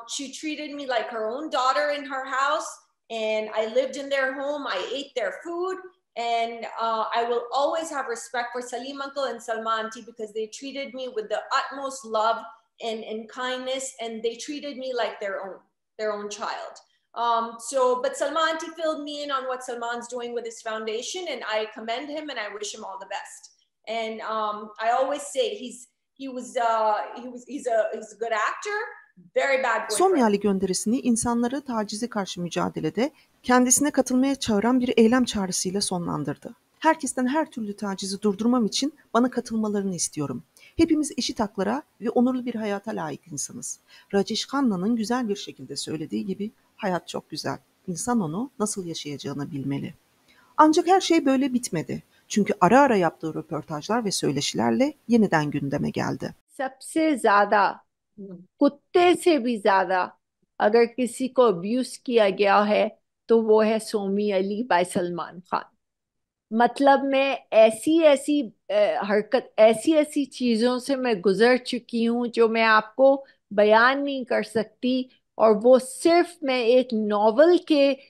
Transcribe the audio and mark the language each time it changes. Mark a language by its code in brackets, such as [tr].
[en] She treated me like her own daughter in her house. And I lived in their home, I ate their food, and I will always have respect for Salim Uncle and Salmanti because they treated me with the utmost love and kindness, and they treated me like their own child. But Salmanti filled me in on what Salman's doing with his foundation, and I commend him and I wish him all the best. And I always say he's a good actor. [tr] Somi Ali gönderisini insanlara tacize karşı mücadelede kendisine katılmaya çağıran bir eylem çağrısıyla sonlandırdı. Herkesten her türlü tacizi durdurmam için bana katılmalarını istiyorum. Hepimiz eşit haklara ve onurlu bir hayata layık insanız. Rajesh Khanna'nın güzel bir şekilde söylediği gibi hayat çok güzel. İnsan onu nasıl yaşayacağını bilmeli. Ancak her şey böyle bitmedi. Çünkü ara ara yaptığı röportajlar ve söyleşilerle yeniden gündeme geldi. [hi] Sabse zada कुत्ते से भी ज्यादा अगर किसी को abuse किया गया है तो वो है सोमी अली बाय सलमान खान मतलब मैं ऐसी-ऐसी हरकत ऐसी-ऐसी चीजों से मैं गुजर चुकी हूं जो मैं आपको बयान नहीं कर सकती और वो सिर्फ मैं एक नॉवल के